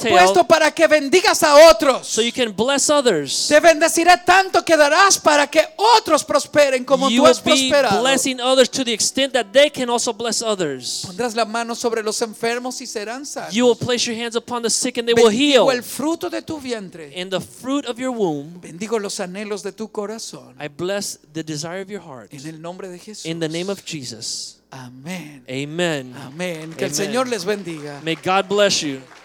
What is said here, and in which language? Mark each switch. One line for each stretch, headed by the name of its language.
Spanish: Te he puesto para que bendigas a otros.
English: So you can bless others.
Spanish: Te bendeciré tanto que darás para que otros prosperen como
English: you
Spanish: tú has prosperado.
English: You will be blessing others to the extent that they can also bless others.
Spanish: Pondrás la mano sobre los enfermos y serán sanos.
English: You will place your hands upon the sick and they will heal.
Spanish: Bendigo el fruto de tu vientre.
English: In the fruit of your womb.
Spanish: Bendigo los anhelos de tu corazón.
English: I bless the desire of your heart.
Spanish: En el nombre de Jesús.
English: In the name of Jesus.
Spanish: Amén.
English: Amen.
Spanish: Amén. Que Amen. El Señor les bendiga.
English: May God bless you.